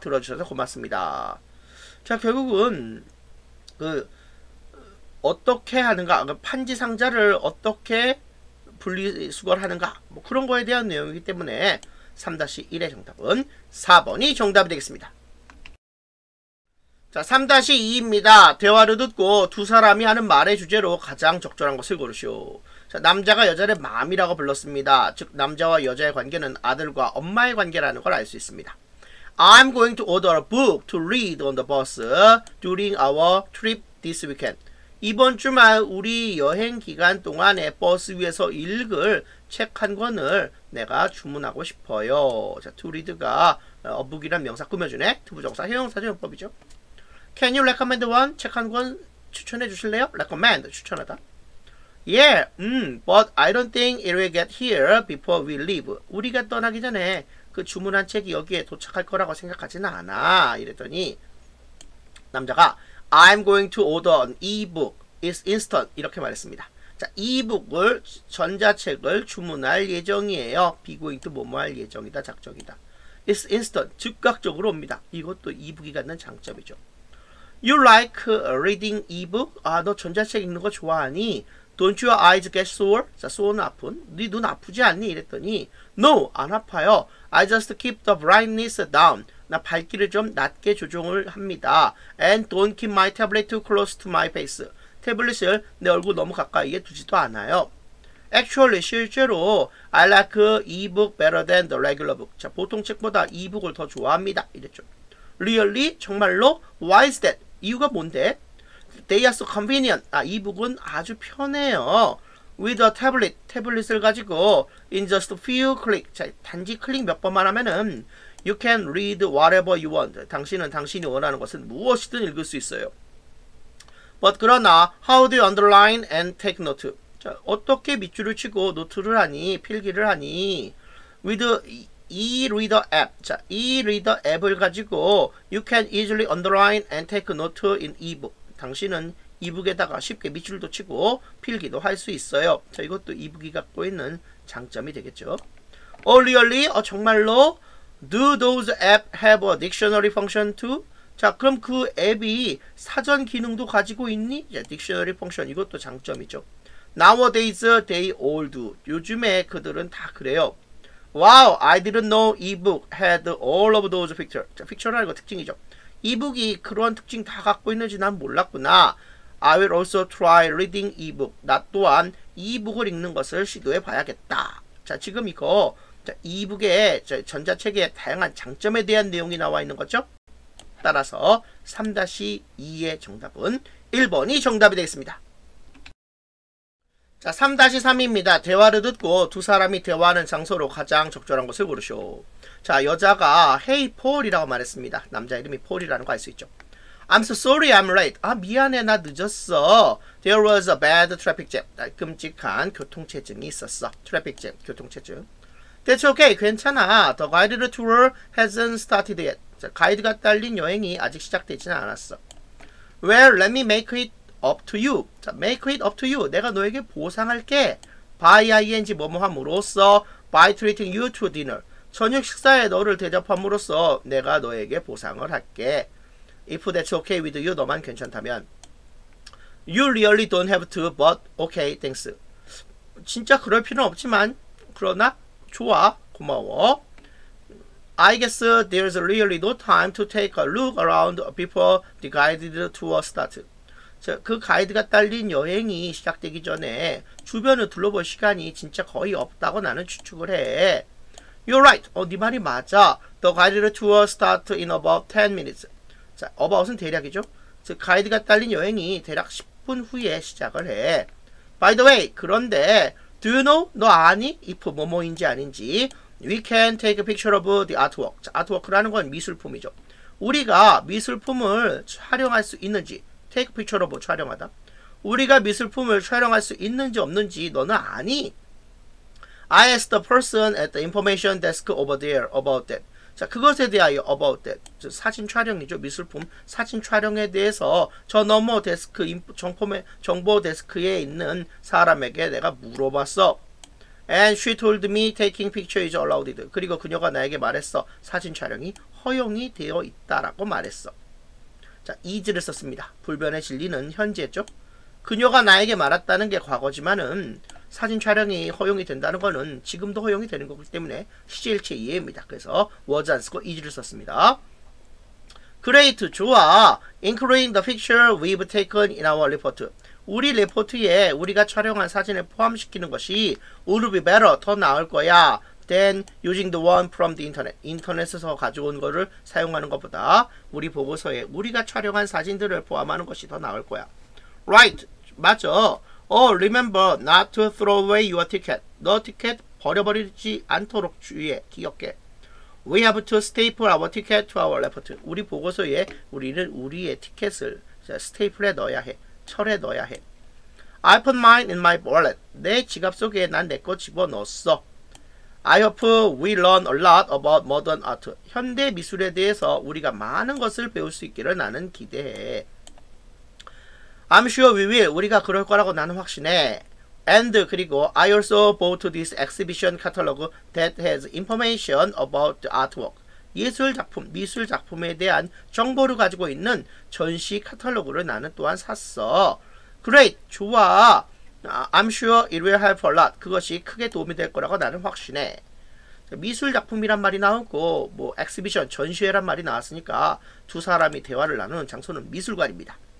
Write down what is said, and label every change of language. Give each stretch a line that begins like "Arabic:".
Korean: 들어주셔서 고맙습니다. 자, 결국은 그 어떻게 하는가, 그 판지 상자를 어떻게 분리수거를 하는가, 뭐 그런 거에 대한 내용이기 때문에 3-1의 정답은 4번이 정답이 되겠습니다. 자, 3-2입니다. 대화를 듣고 두 사람이 하는 말의 주제로 가장 적절한 것을 고르시오. 자, 남자가 여자를 맘이라고 불렀습니다. 즉, 남자와 여자의 관계는 아들과 엄마의 관계라는 걸 알 수 있습니다.
English: I'm going to order a book to read on the bus during our trip this weekend.
Korean: 이번 주말 우리 여행 기간 동안에 버스 위에서 읽을 책 한 권을 내가 주문하고 싶어요. 자, to read가 a book이란 명사 꾸며주네. 투부정사, 형용사 전용법이죠.
English: Can you recommend one?
Korean: 책 한 권 추천해 주실래요? Recommend, 추천하다.
English: Yeah, but I don't think it will get here before we leave.
Korean: 우리가 떠나기 전에 그 주문한 책이 여기에 도착할 거라고 생각하지는 않아. 이랬더니 남자가
English: I'm going to order an e-book. It's instant.
Korean: 이렇게 말했습니다. 자, e-book을, 전자책을 주문할 예정이에요.
English: Be going to
Korean: 뭐뭐 할 예정이다, 작정이다.
English: It's instant.
Korean: 즉각적으로 옵니다. 이것도 e-book이 갖는 장점이죠.
English: You like reading e-book?
Korean: 아, 너 전자책 읽는 거 좋아하니?
English: Don't your eyes get sore? 자,
Korean: sore는 아픈. 네 눈 아프지 않니? 이랬더니
English: No,
Korean: 안 아파요.
English: I just keep the brightness down.
Korean: 나 밝기를 좀 낮게 조정을 합니다.
English: And don't keep my tablet too close to my face.
Korean: 태블릿을 내 얼굴 너무 가까이에 두지도 않아요.
English: Actually,
Korean: 실제로
English: I like e-book better than the regular book.
Korean: 자, 보통 책보다 e-book을 더 좋아합니다. 이랬죠.
English: Really?
Korean: 정말로?
English: Why is that?
Korean: 이유가 뭔데?
English: They are so convenient.
Korean: 아, e-book은 아주 편해요.
English: With a tablet,
Korean: 태블릿을 가지고
English: in just a few clicks.
Korean: 자, 단지 클릭 몇 번만 하면은
English: You can read whatever you want.
Korean: 당신은 당신이 원하는 것은 무엇이든 읽을 수 있어요.
English: But
Korean: 그러나,
English: how do you underline and take note?
Korean: 자, 어떻게 밑줄을 치고 노트를 하니, 필기를 하니?
English: With e-reader app.
Korean: 자, e-reader app을 가지고
English: You can easily underline and take note in e-book.
Korean: 당신은 e-book에다가 쉽게 밑줄도 치고 필기도 할 수 있어요. 자, 이것도 e-book이 갖고 있는 장점이 되겠죠.
English: Oh, really?
Korean: 어, 정말로?
English: Do those apps have a dictionary function too?
Korean: 자, 그럼 그 앱이 사전 기능도 가지고 있니?
English: 자, dictionary function
Korean: 이것도 장점이죠.
English: Nowadays they all do.
Korean: 요즘에 그들은 다 그래요.
English: Wow, I didn't know ebook had all of those features.
Korean: 자, feature라는 거 특징이죠. ebook이 그런 특징 다 갖고 있는지 난 몰랐구나.
English: I will also try reading ebook.
Korean: 나 또한 ebook을 읽는 것을 시도해 봐야겠다. 자, 지금 이거 자, 이북의 전자책의 다양한 장점에 대한 내용이 나와 있는 거죠. 따라서 3-2의 정답은 1번이 정답이 되겠습니다. 자, 3-3입니다. 대화를 듣고 두 사람이 대화하는 장소로 가장 적절한 것을 고르쇼. 자, 여자가 Hey, Paul이라고 말했습니다. 남자 이름이 Paul이라는 거 알 수 있죠.
English: I'm so sorry I'm late.
Korean: 아, 미안해, 나 늦었어.
English: There was a bad traffic jam.
Korean: 아, 끔찍한 교통체증이 있었어.
English: Traffic jam, 교통체증. That's okay.
Korean: 괜찮아.
English: The guided tour hasn't started yet.
Korean: 자, 가이드가 딸린 여행이 아직 시작되지는 않았어.
English: Well, let me make it up to you.
Korean: 자, make it up to you. 내가 너에게 보상할게.
English: By ing
Korean: 뭐뭐함으로써
English: by treating you to dinner.
Korean: 저녁 식사에 너를 대접함으로써 내가 너에게 보상을 할게.
English: If that's okay with you,
Korean: 너만 괜찮다면.
English: You really don't have to, but okay, thanks.
Korean: 진짜 그럴 필요는 없지만, 그러나 좋아, 고마워.
English: I guess there's really no time to take a look around before the guided tour starts.
Korean: 그 가이드가 딸린 여행이 시작되기 전에 주변을 둘러볼 시간이 진짜 거의 없다고 나는 추측을 해.
English: You're right.
Korean: 어, 네 말이 맞아.
English: The guided tour starts in about 10 minutes.
Korean: 자, about은 대략이죠. 즉, 가이드가 딸린 여행이 대략 10분 후에 시작을 해.
English: By the way,
Korean: 그런데
English: Do you know?
Korean: 너 아니?
English: If
Korean: 뭐뭐인지 아닌지
English: We can take a picture of the artwork.
Korean: 자, artwork라는 건 미술품이죠. 우리가 미술품을 촬영할 수 있는지 Take a picture of 촬영하다 우리가 미술품을 촬영할 수 있는지 없는지 너는 아니?
English: I asked the person at the information desk over there about that.
Korean: 자, 그것에 대하여 about that. 저, 사진 촬영이죠. 미술품 사진 촬영에 대해서 저 너머 데스크 정보 데스크에 있는 사람에게 내가 물어봤어.
English: And she told me taking picture is allowed.
Korean: 그리고 그녀가 나에게 말했어. 사진 촬영이 허용이 되어 있다라고 말했어. 자, is를 썼습니다. 불변의 진리는 현재죠. 그녀가 나에게 말했다는 게 과거지만은 사진 촬영이 허용이 된다는 거는 지금도 허용이 되는 거기 때문에 시제일체 이해입니다. 그래서 was 안 쓰고 is를 썼습니다. Great, 좋아.
English: Including the picture we've taken in our report.
Korean: 우리 리포트에 우리가 촬영한 사진을 포함시키는 것이
English: would be better,
Korean: 더 나을 거야.
English: than using the one from the internet.
Korean: 인터넷에서 가져온 거를 사용하는 것보다 우리 보고서에 우리가 촬영한 사진들을 포함하는 것이 더 나을 거야.
English: Right, 맞아. Oh, remember not to throw away your ticket.
Korean: 너 티켓 버려버리지 않도록 주의해. 기억해.
English: We have to staple our ticket to our report.
Korean: 우리 보고서에 우리는 우리의 티켓을 스테이플해 넣어야 해. 철에 넣어야 해.
English: I put mine in my wallet.
Korean: 내 지갑 속에 난 내 거 집어넣었어.
English: I hope we learn a lot about modern art.
Korean: 현대 미술에 대해서 우리가 많은 것을 배울 수 있기를 나는 기대해.
English: I'm sure we will.
Korean: 우리가 그럴 거라고 나는 확신해.
English: And 그리고 I also bought this exhibition catalog that has information about the artwork.
Korean: 미술 작품에 대한 정보를 가지고 있는 전시 카탈로그를 나는 또한 샀어.
English: Great,
Korean: 좋아.
English: I'm sure it will help a lot.
Korean: 그것이 크게 도움이 될 거라고 나는 확신해. 미술 작품이란 말이 나오고 뭐 엑시비션 전시회란 말이 나왔으니까 두 사람이 대화를 나누는 장소는 미술관입니다.